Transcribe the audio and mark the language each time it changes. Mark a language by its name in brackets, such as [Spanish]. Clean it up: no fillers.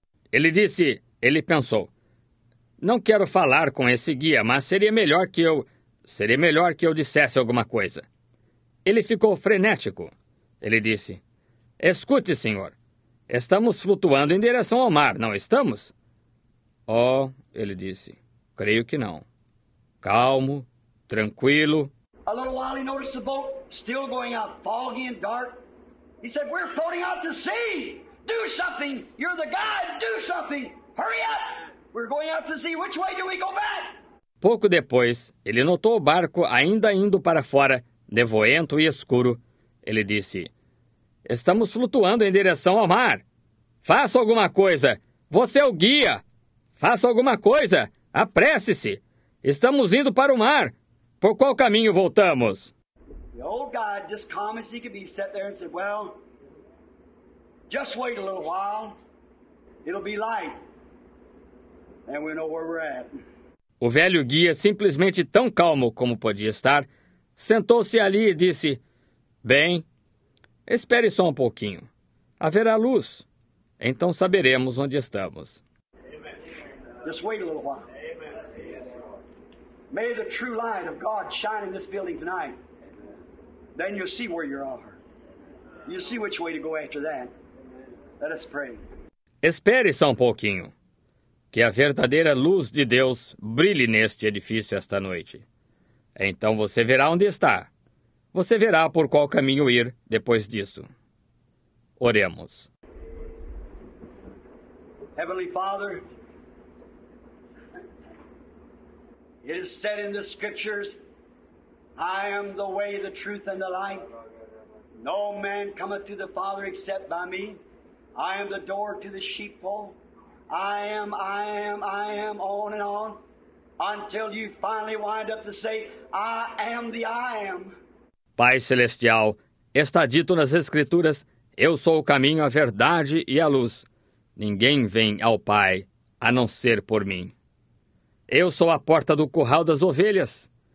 [Portuguese] Ele disse, ele pensou, "Não quero falar com esse guia, mas seria melhor que eu dissesse alguma coisa." Ele ficou frenético. Ele disse, "Escute, senhor, estamos flutuando em direção ao mar, não estamos?" "Oh," ele disse, "creio que não." Calmo, tranquilo. [English] A little while he noticed the boat still going out, foggy and dark. He said, "We're floating out to sea. Do something. You're the guide. Do something. Hurry up. We're going out to sea. Which way do we go back?" [Portuguese] Pouco depois, ele notou o barco ainda indo para fora, nevoento e escuro. Ele disse, "Estamos flutuando em direção ao mar. Faça alguma coisa. Você é o guia. Faça alguma coisa. Apresse-se. Estamos indo para o mar. Por qual caminho voltamos?" [English] The old guy, just calm as he could be, sat there and said, "Well, just wait a little while. It'll be light. And we know where we're at." [Portuguese] O velho guia, simplesmente tão calmo como podia estar, sentou-se ali e disse, "Bem, espere só um pouquinho. Haverá luz. Então saberemos onde estamos." [English] Just wait a little while. Amen. May the true light of God shine in this building tonight. Then you'll see where you are. You'll see which way to go after that. Let us pray. [Portuguese] Espere só um pouquinho. Que a verdadeira luz de Deus brilhe neste edifício esta noite. Então você verá onde está. Você verá por qual caminho ir depois disso. Oremos. [English] Heavenly Father, it is said in the scriptures, "I am the way, the truth, and the light. No man cometh to the Father except by me. I am the door to the sheepfold. I am, on and on, until you finally wind up to say, 'I am the I am.'" [Portuguese] Pai Celestial, está dito nas Escrituras, "Eu sou o caminho, a verdade e a luz. Ninguém vem ao Pai a não ser por mim. Eu sou a porta do curral das ovelhas.